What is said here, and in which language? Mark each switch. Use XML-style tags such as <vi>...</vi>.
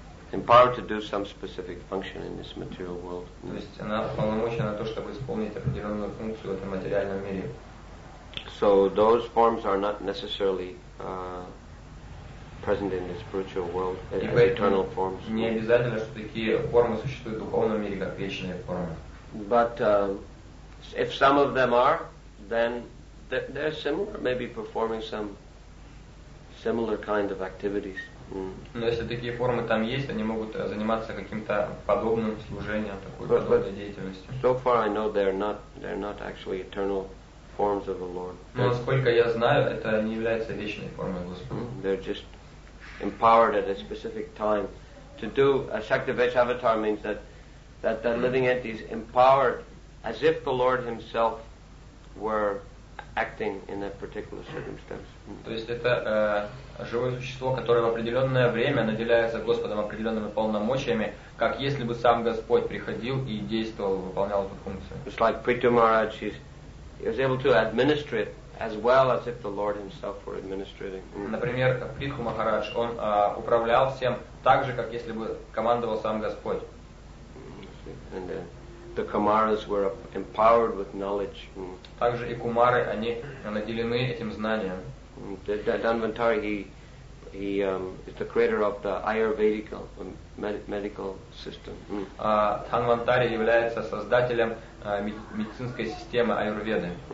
<en>Empowered to do some specific function in this material world.</en> <ru>То есть она полномочена на то, чтобы исполнить определенную функцию в этом материальном мире.</ru> <en>So those forms are not necessarily present in the spiritual world as eternal forms.</en> <ru>Не обязательно, что такие формы существуют в духовном мире как вечные формы.</ru> <en>But if some of them are, then they're similar, maybe performing some similar kind of activities.</en> <ru>Но если такие формы там есть, они могут заниматься каким-то подобным служением, такой подобной деятельностью.</ru> <en>So far, I know they're not actually eternal forms of the Lord.</en> <ru>Но насколько я знаю, это не является вечной формой Господа.</ru> <en>They're just empowered at a specific time to do a Shakti Veshavatar means that the living entity is empowered as if the Lord Himself were acting in that particular circumstance.</en> <ru>То есть это живое существо, которое в определенное время наделяется Господом определенными полномочиями, как если бы сам Господь приходил и действовал, выполнял эту функцию.</ru> <en>It's like Prithu Maharaj, he was able to administer it as well as if the Lord Himself were administering.</en> <ru>Например, Прихумахарадж, он управлял всем. так же, как если бы командовал сам Господь.</ru> <en>And the Kumaras were empowered with knowledge.</en> <ru>Также и кумары, они наделены этим знанием.</ru> <en>Dhanvantari, he is the creator of the Ayurvedic medical system.</en> <ru>Dhanvantari является создателем медицинской системы Аюрведы.</ru>